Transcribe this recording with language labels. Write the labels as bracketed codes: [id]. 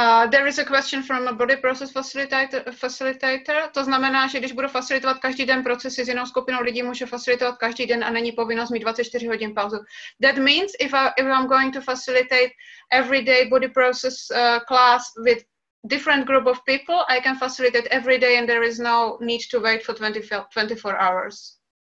[en] There is a question from a body process facilitator. [cs] To znamená, že když budu facilitovat každý den procesy s jinou skupinou lidí, můžu facilitovat každý den a není povinnost mít 24 hodin pauzu. [en] That means if I'm going to facilitate every day body process class with different group of people, I can facilitate every day and there is no need to wait for 24 hours.